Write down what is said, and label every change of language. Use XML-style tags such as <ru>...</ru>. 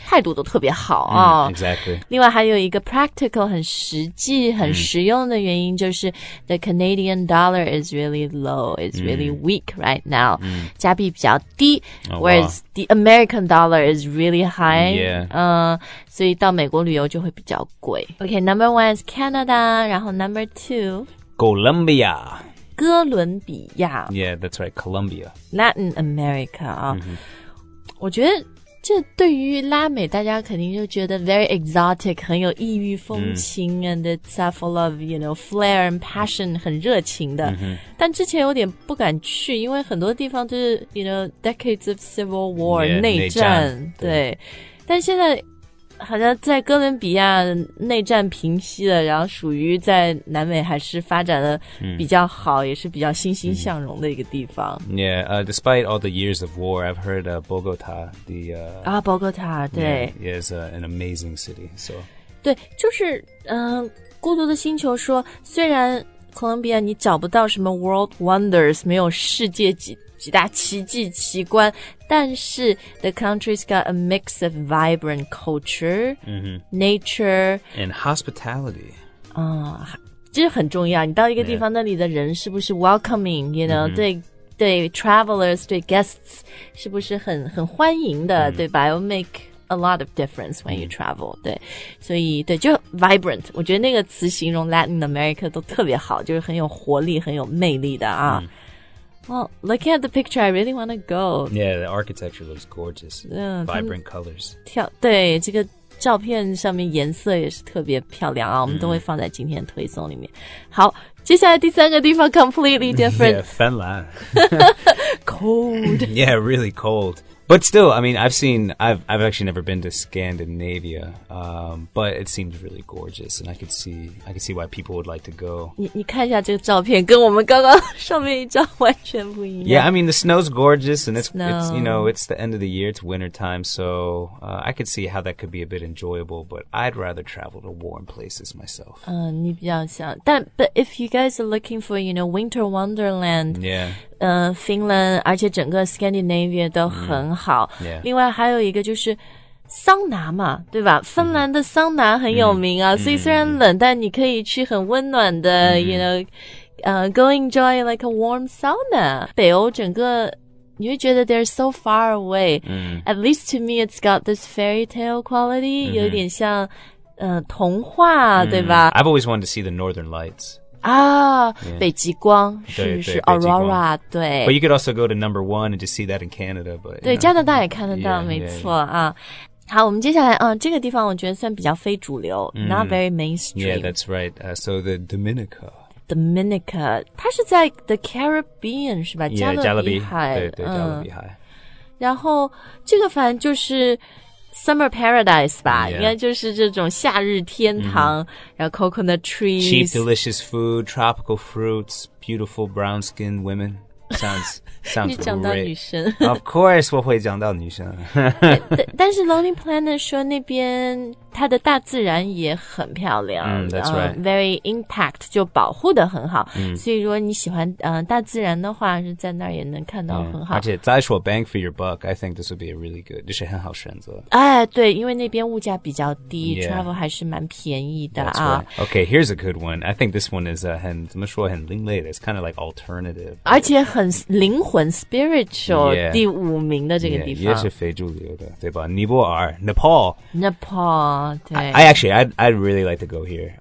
<zh>态度都特别好啊。</zh> <en>Exactly.</en> <zh>另外还有一个 practical, 很实际很实用的原因就是</zh> <en>the Canadian dollar is really low. It's really weak right now.</en> <zh>加币比较低</zh> <en>whereas the American dollar is really high. Yeah.</en> <zh>所以到美国旅游就会比较贵。</zh> <en>Okay, number one is Canada, 然后 number two, Colombia.</en> <zh>哥伦比亚。</zh> <en>Yeah, that's right, Colombia. Latin America.</en> <zh>我觉得这对于拉美大家肯定就觉得</zh> <en>very exotic,</en> <zh>很有异域风情、</zh> <en>and it's full of, you know, flair and passion,</en> <zh>很热情的。但之前有点不敢去，因为很多地方就是</zh> <en>you know, decades of civil war, yeah, 内</en> <zh>战。对。但现在好像在哥伦比亚内战平息了，然后属于在南美还是发展的比较好，也是比较欣欣向荣的一个地方。</zh> <en>Yeah, despite all the years of war, I've heard Bogota, the</en> <zh>Bogota, 对</zh> <en>yeah, is an amazing city. So,</en> <zh>对，就是孤独的星球说，虽然哥伦比亚你找不到什么 World Wonders, 没有世界几大奇迹奇观，但是</zh> <en>the country's got a mix of vibrant culture, nature, and hospitality.</en> <zh>这很重要，你到一个地方那里的人是不是 welcoming, you know, 对对 travelers, 对 guests, 是不是很欢迎的，对吧？</zh> <en>It'll make a lot of difference when you travel, 对。</en> <zh>所以对，就 vibrant, 我觉得那个词形容 Latin America 都特别好，就是很有活力，很有魅力的啊。</zh> <en>Well, looking at the picture, I really want to go. Yeah, the architecture looks gorgeous. Vibrant colors.</en> <zh>对，这个照片上面颜色也是特别漂亮啊，我们都会放在今天推送里面。好，接下来第三个地方 completely different.</zh> <en>Yeah, Finland. Cold. Yeah, really cold. But still, I mean, I've actually never been to Scandinavia, but it seems really gorgeous, and I could see why people would like to go. 你看一下这个照片，跟我们刚刚上面一张完全不一样。 Yeah, I mean, the snow's gorgeous, and it's the end of the year, it's winter time, so I could see how that could be a bit enjoyable, but I'd rather travel to warm places myself.</en> <zh>你比较想，但</zh> <en>but if you guys are looking for, you know, winter wonderland, yeah.</en> <zh>Finland, 而且整个 Scandinavia 都很好、</zh> <en>mm-hmm. yeah.</en> <zh>另外还有一个就是桑拿嘛对吧芬兰的桑拿很有名啊、mm-hmm. 所以虽然冷但你可以去很温暖的、mm-hmm.</zh> <en>you know, go enjoy like a warm sauna.</en> <zh>北欧整个你会觉得</zh> <en>they're so far away.、 Mm-hmm. At least to me, it's got this fairy tale quality,、mm-hmm.</en> <zh>有点像童话、mm-hmm. 对吧</zh> <en>I've always wanted to see the Northern Lights.</en> <zh>啊、yeah. 北极光是 Aurora, 对。</zh> <en>But you could also go to number one and just see that in Canada, but,</en> <zh>对加拿大也看得到 yeah, 没错 yeah, yeah. 啊。好我们接下来这个地方我觉得算比较非主流、mm.</zh> <en>not very mainstream. Yeah, that's right.、So the Dominica.</en> <zh>Dominica, 它是在 the Caribbean, 是吧</zh> <en>yeah,</en> <zh>加勒比海。对对加勒比海。然后这个反正就是Summer paradise 吧、yeah. 应该就是这种夏日天堂、mm-hmm.</zh> <en>然后 coconut trees. Cheap delicious food, tropical fruits, beautiful brown skinned women. Sounds great.</en> <zh>你讲到女生。 Of course, 我会讲到女生。但是 Lonely Planet 说那边它的大自然也很漂亮。</zh> <en>Mm, that's right.</en> <zh>Very intact, 就保护得很好。 Mm. 所以如果你喜欢大自然的话是在那儿也能看到很好。而且再说</zh> <en>bang for your buck, I think this would be a really good,</en> <zh>这是很好选择。哎对因为那边物价比较低、</zh> <en>yeah.</en> <zh>travel 还是蛮便宜的。</zh> <en>That's right. Okay, here's a good one. I think this one is</en> <zh>很怎么说很另类的</zh> <en>it's kind of like alternative.</en> <zh>而且很灵魂 spiritual,</zh> <en>yeah,</en> <zh>第五名的这个地方。 Yeah, 也是非主流的对吧尼泊尔 Nepal.</zh> <en>Nepal. I'd really like to go here.</en>